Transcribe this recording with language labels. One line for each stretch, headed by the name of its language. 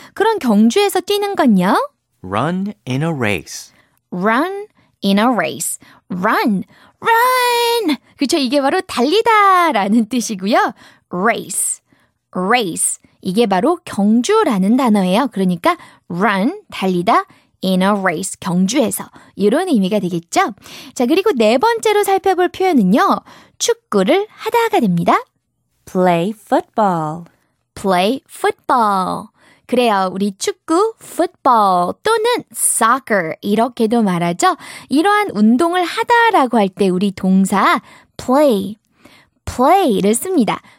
Korean: 그런 경주에서 뛰는 건요?
English: Run in a race. Run in a race. Run. Run.
Korean: 그쵸. 이게 바로 달리다 라는 뜻이고요.
English: Race. Race.
Korean: 이게 바로 경주라는 단어예요. 그러니까 run, 달리다,
English: in a race,
Korean: 경주에서. 이런 의미가 되겠죠? 자, 그리고 네 번째로 살펴볼 표현은요. 축구를 하다가 됩니다.
English: Play football. Play football.
Korean: 그래요. 우리 축구, football 또는 soccer 이렇게도 말하죠. 이러한 운동을 하다라고 할 때 우리 동사 play, play를 씁니다.